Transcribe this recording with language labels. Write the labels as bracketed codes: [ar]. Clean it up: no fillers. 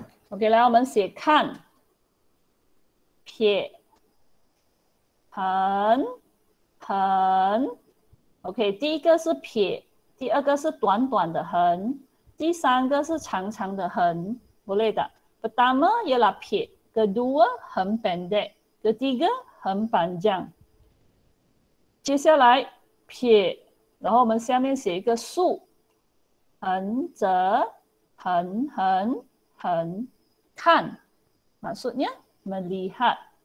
[zh] OK， 来我们写看，撇，横，横 ，OK， 第一个是撇，第二个是短短的横，第三个是长长的横，不累的。 [ms] Pertama ialah 撇 ，kedua 横 pendek，ketiga 横 panjang。 [zh] 接下来。撇，然后我们下面写一个竖，横折，横横横，看，马术呢？蛮厉害。